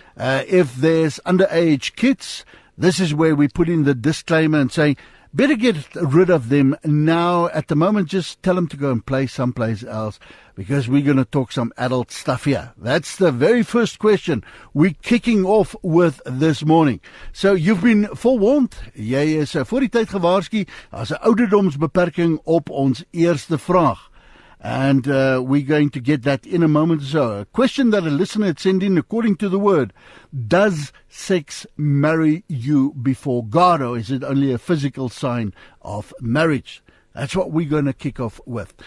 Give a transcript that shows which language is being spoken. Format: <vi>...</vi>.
<en>If there's underage kids, this is where we put in the disclaimer and say, better get rid of them now. At the moment, just tell them to go and play someplace else because we're going to talk some adult stuff here. That's the very first question we're kicking off with this morning. So you've been forewarned.</en> <af>Jy is voor die tyd gewaarsku as 'n ouderdomsbeperking op ons eerste vraag.</af> <en>And we're going to get that in a moment. So a question that a listener had sent in, according to the word, does sex marry you before God, or is it only a physical sign of marriage? That's what we're going to kick off with.</en>